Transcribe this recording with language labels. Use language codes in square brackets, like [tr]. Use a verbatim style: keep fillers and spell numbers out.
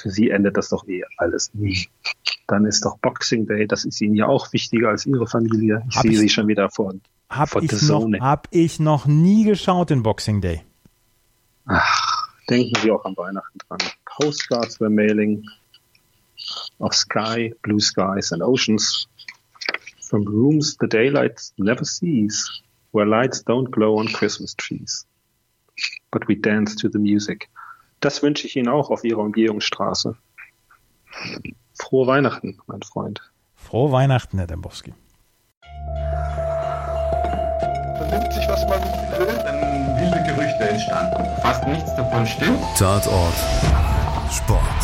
[de] Für sie endet das doch eh alles nie. Dann ist doch Boxing Day, das ist ihnen ja auch wichtiger als ihre Familie. Ich sehe sie schon wieder vor, vor der Zone. Hab ich noch nie geschaut den Boxing Day. Ach, denken Sie auch an Weihnachten dran. Postcards für Mailing auf Sky, [en] Blue Skies and Oceans. From rooms the daylight never sees, where lights don't glow on Christmas trees. But we dance to the music. [de] Das wünsche ich Ihnen auch auf Ihrer Umgehungsstraße. Frohe Weihnachten, mein Freund. Frohe Weihnachten, Herr Dembowski. Man nimmt sich, was man will, dann wilde Gerüchte entstanden. Fast nichts davon stimmt. Tatort Sport.